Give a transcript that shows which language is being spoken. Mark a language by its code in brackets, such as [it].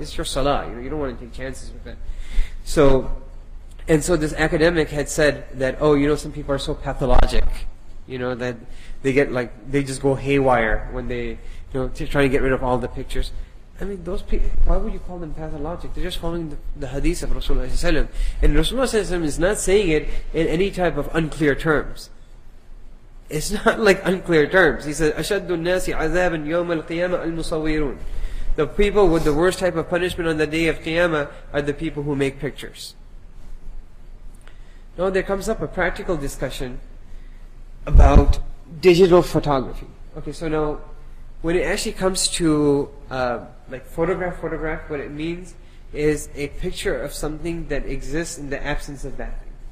[en] It's your salah, you know, you don't want to take chances with it. So, and so this academic had said that, oh, you know, some people are so pathologic, you know, that they get, like, they just go haywire when they, you know, to try and get rid of all the pictures. I mean, those people, why would you call them pathologic? They're just following the hadith of Rasulullah ﷺ. And Rasulullah ﷺ is not saying it in any type of unclear terms. It's not like unclear terms. He said, [ar] أَشَدُّ النَّاسِ عَذَابًا يَوْمَ الْقِيَامَةِ الْمُصَوِّرُونَ. [en] The people with the worst type of punishment on the day of Qiyamah are the people who make pictures. Now there comes up a practical discussion about digital photography. Okay, so now, when it actually comes to like photograph, what it means is a picture of something that exists in the absence of that thing.